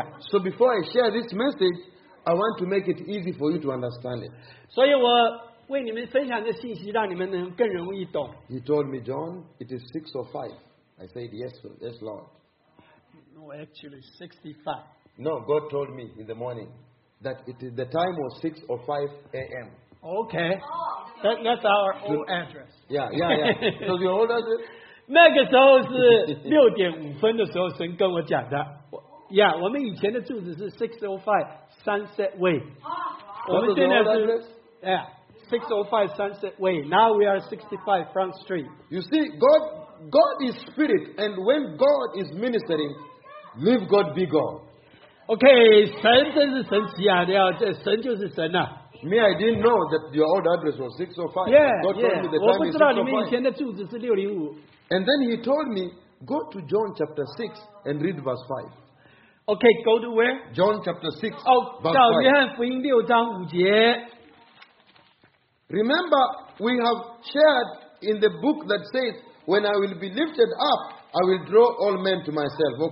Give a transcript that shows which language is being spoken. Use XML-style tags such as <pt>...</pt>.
<en>So before I share this message, I want to make it easy for you to understand it. So you were.</en> <zh>为你们分享的信息，让你们能更容易懂。He</zh> <en>told me, "John, it is 6:05." I said, "Yes, yes, Lord." No, actually, 65. No, God told me in the morning that it is, the time was 6:05 a.m. Okay. That's our old address. Yeah. So your old address?</en> <zh>那个时候是6:05的时候，神跟我讲的。Yeah, 我们以前的住址是 605 Sunset Way.</zh> <en>Yeah. 605 Sunset Way. Now we are 65 Front Street. You see, God is spirit, and when God is ministering, leave God be God.</en> <zh>Okay, 神真是神奇啊，神就是神啊。</zh> <en>Me, I didn't know that your old address was 605. Yeah, God told me the time is 605.</en> <zh>我不知道你们以前的住址是605。</zh> <en>And then he told me, "Go to John chapter 6 and read verse 5. Okay, go to where? John chapter 6, verse 5. Remember, we have shared in the book that says, "When I will be lifted up, I will draw all men to myself."</en>